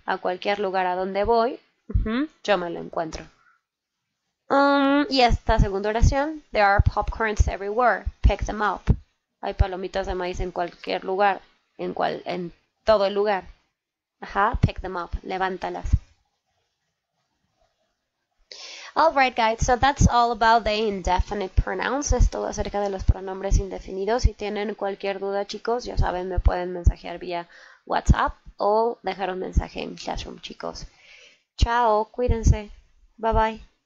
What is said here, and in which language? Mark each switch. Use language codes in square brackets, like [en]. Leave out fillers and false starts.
[es] A cualquier lugar a donde voy, yo me lo encuentro. Y esta segunda oración. [en] There are popcorns everywhere. Pick them up. [es] Hay palomitas de maíz en cualquier lugar, en todo el lugar. [en] Ajá, pick them up, [es] levántalas. [en] All right, guys, so that's all about the indefinite pronouns. [es] Es todo acerca de los pronombres indefinidos. Si tienen cualquier duda, chicos, ya saben, me pueden mensajear vía WhatsApp o dejar un mensaje en Classroom, chicos. Chao, cuídense. [en] Bye bye.